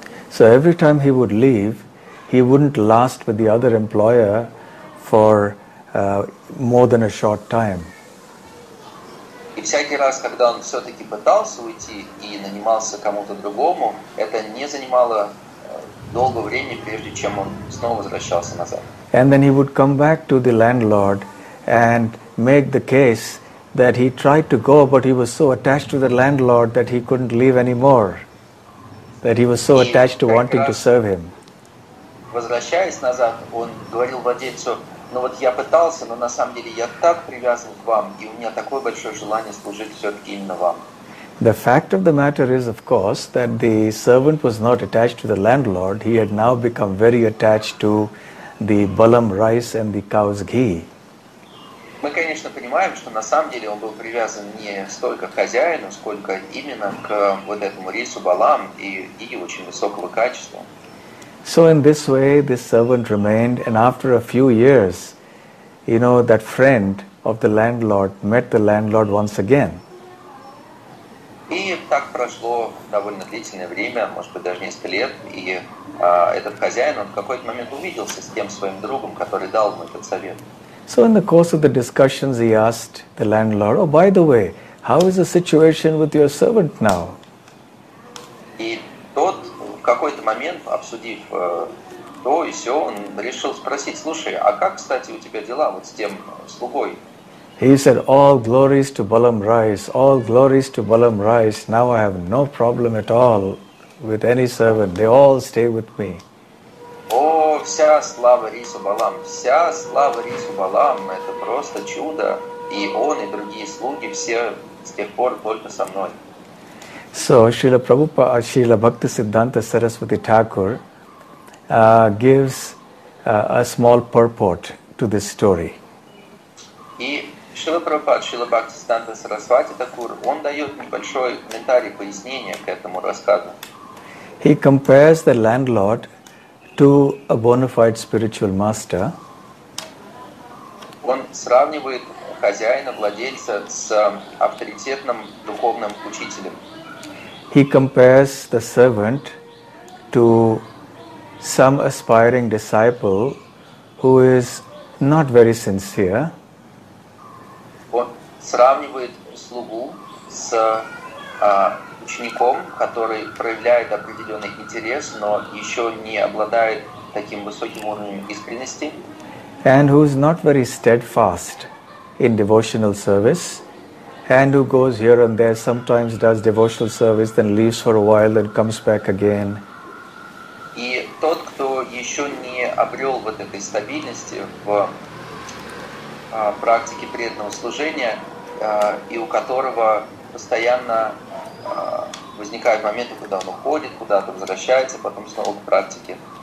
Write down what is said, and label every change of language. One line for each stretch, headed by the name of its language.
English: So every time he would leave, he wouldn't last with the other employer for more than a short time.
Russian: И всякий раз, когда он все-таки пытался уйти и нанимался кому-то другому, это не занимало долго времени, прежде чем он снова возвращался назад.
English: And then he would come back to the landlord and make the case that he tried to go, but he was so attached to the landlord that he couldn't leave anymore. That he was so attached to wanting to serve him.
Russian: Возвращаясь назад, он говорил владельцу, ну вот я пытался, но на самом деле я так привязан к вам, и у меня такое большое желание служить все-таки именно вам.
English: The fact of the matter is, of course, that the servant was not attached to the landlord. He had now become very attached to the balam rice and the cow's ghee.
Russian: Мы, конечно, понимаем, что на самом деле он был привязан не столько к хозяину, сколько именно к вот этому рису балам и ghee очень высокого качества.
English: So in this way, this servant remained, and after a few years, you know, that friend of the landlord met the landlord once again.
Russian: И так прошло довольно длительное время, может быть, даже несколько лет, и этот хозяин, он в какой-то момент увиделся с тем своим другом, который дал ему этот совет.
English: So in the course of the discussions, he asked the landlord, oh, by the way, how is the situation with your servant now?
Russian: И тот, в какой-то момент, обсудив то и сё, он решил спросить, слушай, а как, кстати, у тебя дела вот с тем слугой?
English: He said, all glories to Balam Rice, all glories to Balam Rice. Now I have no problem at all with any servant. They all stay with me.
Russian: Вся слава рису Балам, вся слава рису Балам, это просто чудо. И он, и другие слуги, все с тех пор только со мной.
English: So, Srila Prabhupada, Srila Bhakti Siddhanta Saraswati Thakur gives a small purport to this story.
Russian: И Srila Prabhupada, Srila Bhakti Siddhanta Saraswati Thakur, он дает небольшой комментарий, пояснение к этому рассказу.
English: He compares the landlord to a bona fide spiritual master.
Russian: Он сравнивает хозяина, владельца с авторитетным духовным учителем.
English: He compares the servant to some aspiring disciple who is not very sincere.
Russian: Он сравнивает слугу с учеником, который проявляет определенный интерес, но еще не обладает таким высоким уровнем искренности.
English: And who is not very steadfast in devotional service, and who goes here and there, sometimes does devotional service, then leaves for a while, then comes back again.
Russian: И тот, кто еще не обрел вот этой стабильности в практике преданного служения, и у которого постоянно возникают моменты, когда он уходит куда-то, возвращается, потом снова к практике.